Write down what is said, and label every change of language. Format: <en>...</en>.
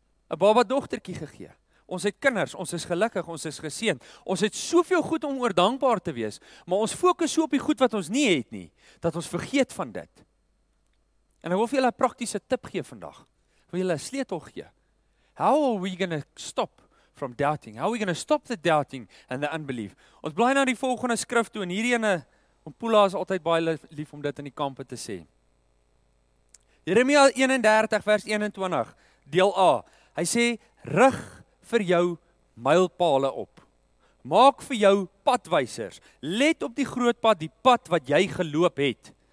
<af>'n Baba dogtertjie gegee. Ons het kinders, ons is gelukkig, ons is geseënd. Ons het soveel goed om oor dankbaar te wees, maar ons fokus so op die goed wat ons nie het nie, dat ons vergeet van dit. En ek wil vir julle 'n praktiese tip gee vandag. Ek wil julle 'n sleutel gee.</af> <en>How are we going to stop from doubting? How are we going to stop the doubting and the unbelief?</en> <af>Ons blaai nou die volgende skrif toe en hierdie ene, om Pula is altyd baie lief om dit in die kampe te sê. Jeremia 31 vers 21, deel A. Hy sê, rig vir jou mylpale op. Maak vir jou padwysers. Let op die groot pad, die pad wat jy geloop het.</af>